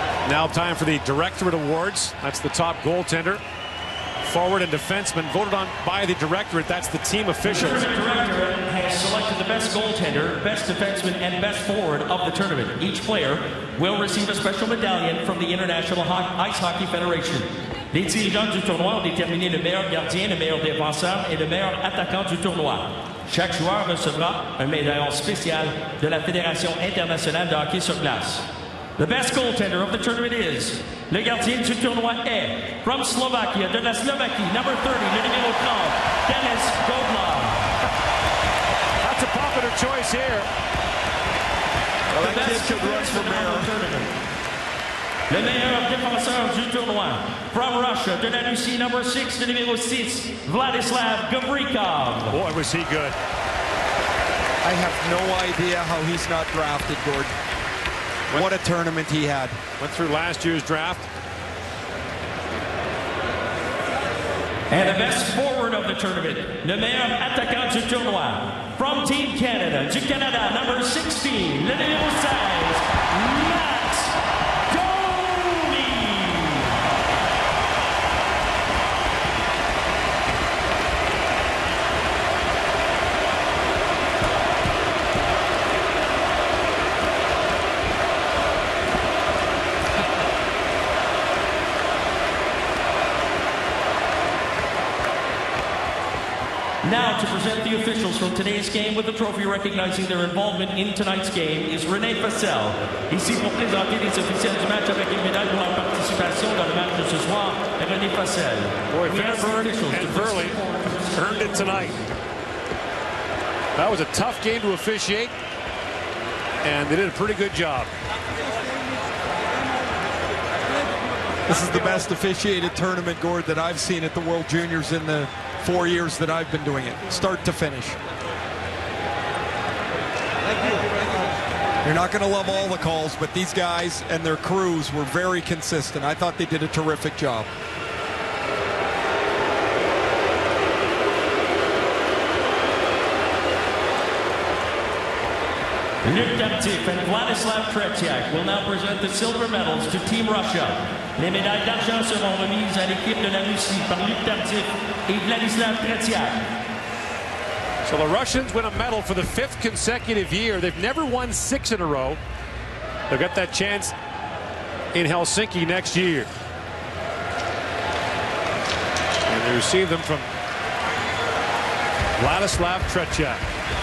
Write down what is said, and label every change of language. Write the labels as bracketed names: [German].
[English] Now time for the Directorate Awards. That's the top goaltender, forward and defenseman voted on by the directorate. That's the team official. The tournament director has selected the best goaltender, best defenseman, and best forward of the tournament. Each player will receive a special medallion from the International Ice Hockey Federation. [French] Les dirigeants du tournoi ont déterminé le meilleur gardien, le meilleur défenseur et le meilleur attaquant du tournoi. Chaque joueur recevra un médaillon spécial de la Fédération Internationale de Hockey sur Glace. [English] The best goaltender of the tournament is [French] le gardien du tournoi est [English] from Slovakia, [French] de la Slovakie, [English] number 30, [French] le numéro 3, [English] Denis Goblin. That's a popular choice here. Well, the best goaltender of the tournament. [French] Le meilleur défenseur du tournoi [English] from Russia, [French] de la Russie, [English] number 6, [French] le numéro 6, Vladislav Gavrikov. [English] Boy, was he good. I have no idea how he's not drafted, Gordon. What a tournament he had. Went through last year's draft. And the best forward of the tournament, [French] le meilleur attaquant du tournoi, [English] from Team Canada to Canada, number 16, [French] le numéro 16, [English] Max Domi. Now to present the officials from today's game with the trophy recognizing their involvement in tonight's game is René Fassel. [French] Ici pour présenter les officiels du match avec une médaille pour la participation dans le match de ce soir, René Fassel. [English] Boy, Fairburn and Burley earned it tonight. That was a tough game to officiate, and they did a pretty good job. This is the best officiated tournament, Gord, that I've seen at the World Juniors in the 4 years that I've been doing it, start to finish. You're not going to love all the calls, but these guys and their crews were very consistent. I thought they did a terrific job. Luke Demtyev and Vladislav Tretiak will now present the silver medals to Team Russia. [French] Les médailles d'argent seront remises à l'équipe de la Russie par Luke Demtyev et Vladislav Tretiak. [English] So the Russians win a medal for the fifth consecutive year. They've never won six in a row. They'll get that chance in Helsinki next year. And they receive them from Vladislav Tretiak.